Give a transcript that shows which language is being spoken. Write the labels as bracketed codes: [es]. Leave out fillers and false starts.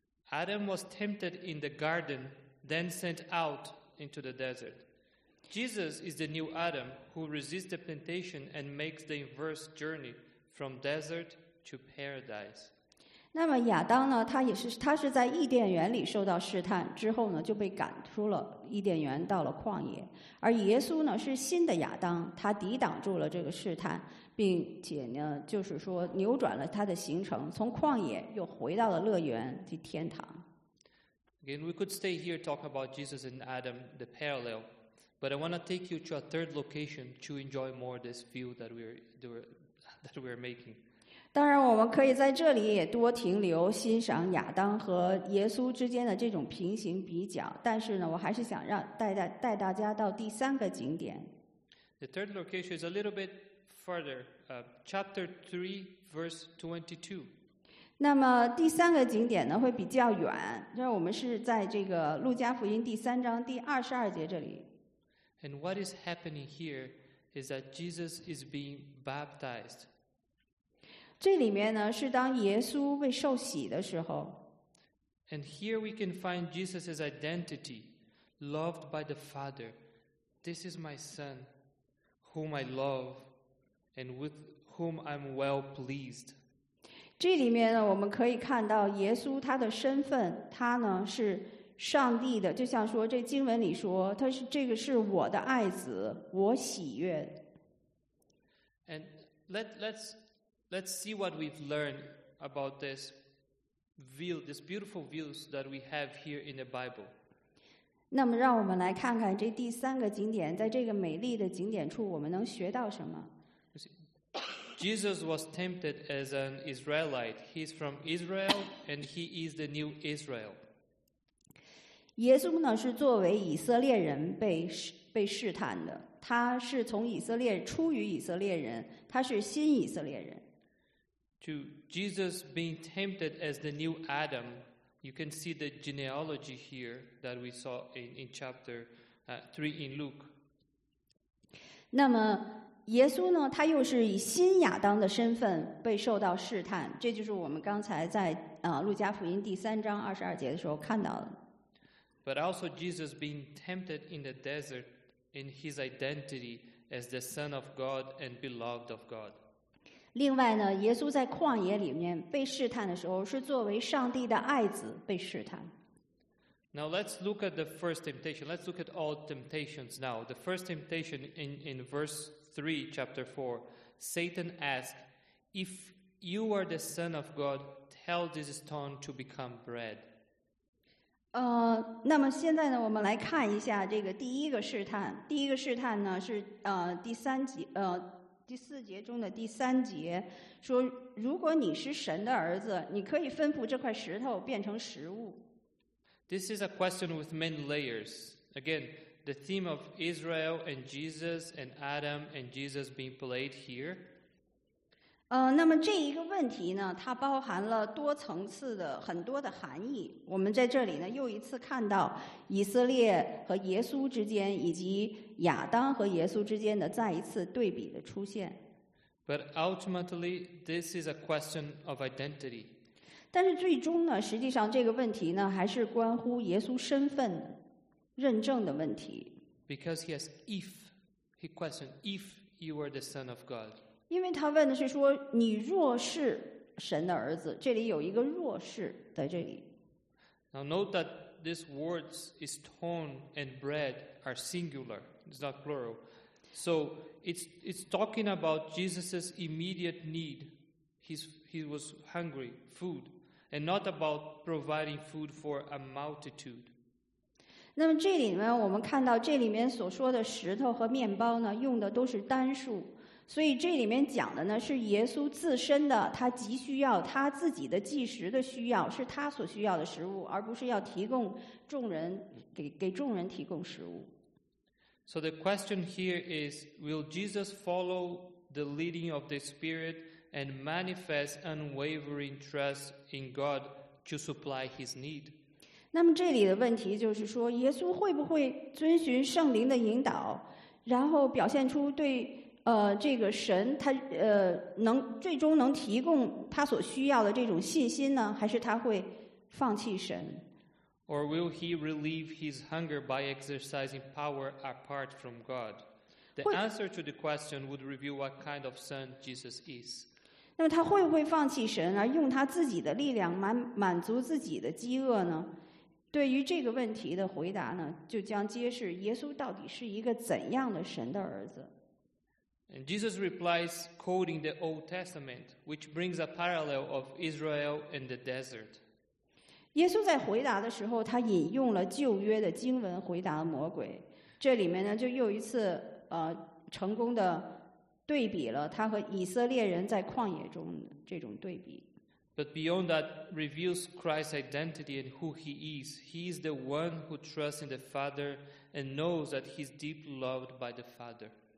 [en] Adam was tempted in the garden, then sent out into the desert. Jesus is the new Adam who resists the temptation and makes the inverse journey from desert to paradise. [zh] 那么亚当呢？他是在伊甸园里受到试探，之后呢就被赶出了伊甸园，到了旷野。而耶稣呢是新的亚当，他抵挡住了这个试探，并且呢就是说扭转了他的行程，从旷野又回到了乐园及天堂。 [en] Again, we could stay here talking about Jesus and Adam, the parallel. But I want to take you to a third location to enjoy more this view that we're making. [zh] 当然，我们可以在这里也多停留，欣赏亚当和耶稣之间的这种平行比较。但是呢，我还是想让带大家到第三个景点。 [en] The third location is a little bit further, chapter 3, verse 22. [zh] 那么第三个景点呢会比较远，因为我们是在这个路加福音第三章第22节这里。 [en] And what is happening here is that Jesus is being baptized. [zh] 这里面呢是当耶稣被受洗的时候。 [en] And here we can find Jesus' identity, loved by the Father. This is my Son, whom I love, and with whom I'm well pleased. [zh] 这里面呢，我们可以看到耶稣他的身份，他呢是上帝的，就像说这经文里说，他是这个是我的爱子，我喜悦。 [en] And let's see what we've learned about this view, this beautiful views that we have here in the Bible. [zh] 那么让我们来看看这第三个景点，在这个美丽的景点处，我们能学到什么？ [en] Jesus was tempted as an Israelite. He's from Israel, and he is the new Israel. [zh] 耶稣呢是作为以色列人被试探的，他是从以色列出于以色列人，他是新以色列人。 [en] To Jesus being tempted as the new Adam, you can see the genealogy here that we saw in chapter 3 in Luke. [zh] 那么耶稣呢，他又是以新亚当的身份被受到试探，这就是我们刚才在路加福音第三章二十二节的时候看到的。 [en] But also Jesus being tempted in the desert in his identity as the Son of God and beloved of God. [zh] 另外呢，耶稣在旷野里面被试探的时候，是作为上帝的爱子被试探。 [en] Now let's look at the first temptation. Let's look at all temptations now. The first temptation in verse 3, chapter 4, Satan asked, "If you are the Son of God, tell this stone to become bread." [zh] 那么现在呢，我们来看一下这个第一个试探。第一个试探呢是第三节第四节中的第三节，说如果你是神的儿子，你可以吩咐这块石头变成食物。 [en] This is a question with many layers. Again, the theme of Israel and Jesus and Adam and Jesus being played here. [zh] 那么这一个问题呢，它包含了多层次的很多的含义。我们在这里呢，又一次看到以色列和耶稣之间，以及亚当和耶稣之间的再一次对比的出现。 [en] But ultimately, this is a question of identity. [zh] 但是最终呢，实际上这个问题呢，还是关乎耶稣身份认证的问题。 [en] Because he questioned if you were the Son of God. [zh] 因为他问的是说，你若是神的儿子，这里有一个若是在这里。 [en] Now note that these words "stone" and "bread" are singular; it's not plural. So it's talking about Jesus's immediate need. He was hungry, food, and not about providing food for a multitude. [zh] 那么这里呢，我们看到这里面所说的石头和面包呢，用的都是单数。所以这里面讲的呢，是耶稣自身的，他急需要他自己的即时的需要，是他所需要的食物，而不是要提供众人给众人提供食物。 [en] So the question here is, will Jesus follow the leading of the Spirit and manifest unwavering trust in God to supply his need? [zh] 那么这里的问题就是说，耶稣会不会遵循圣灵的引导，然后表现出对这个神他能最终能提供他所需要的这种信心呢，还是他会放弃神？ [en] Or will he relieve his hunger by exercising power apart from God? The answer to the question would reveal what kind of son Jesus is. [zh] 那么他会不会放弃神，而用他自己的力量满足自己的饥饿呢？对于这个问题的回答呢，就将揭示耶稣到底是一个怎样的神的儿子。 [en] And Jesus replies, quoting the Old Testament, which brings a parallel of Israel and the desert. [zh] 耶稣在回答的时候，他引用了旧约的经文回答魔鬼。这里面呢，就又一次成功的对比了他和以色列人在旷野中的这种对比。 [en] But beyond that, reveals Christ's identity and who he is. He is the one who trusts in the Father and knows that he's deeply loved by the Father.